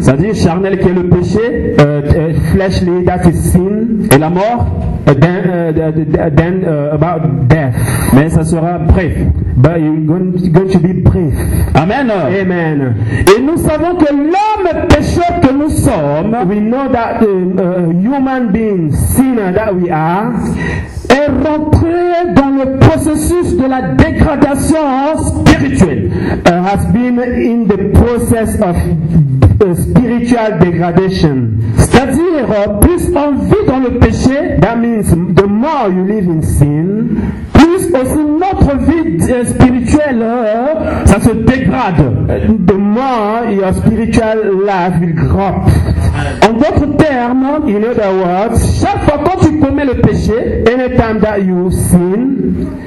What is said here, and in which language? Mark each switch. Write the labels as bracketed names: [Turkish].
[French] C'est-à-dire charnel qui est le péché. [English] Fleshly, that is sin. [French] Et la mort. [English] Then about death. [French] Mais ça sera bref. [English] But you're going to be brief. Amen. Amen. [French] Et nous savons que l'homme pécheur que nous sommes, [English] we know that the human being sinner that we are, [French] est rentré dans le processus de la dégradation spirituelle. [English] Has been in the process of spiritual degradation. [French] C'est-à-dire, plus on vit dans le péché, [English] that means the more you live in sin, [French] plus aussi notre vie spirituelle, ça se dégrade. [English] The more your spiritual life will grow. [French] On d'autres termes, [English] in other words, [French] chaque fois que tu commets le péché, [English] anytime that you sin,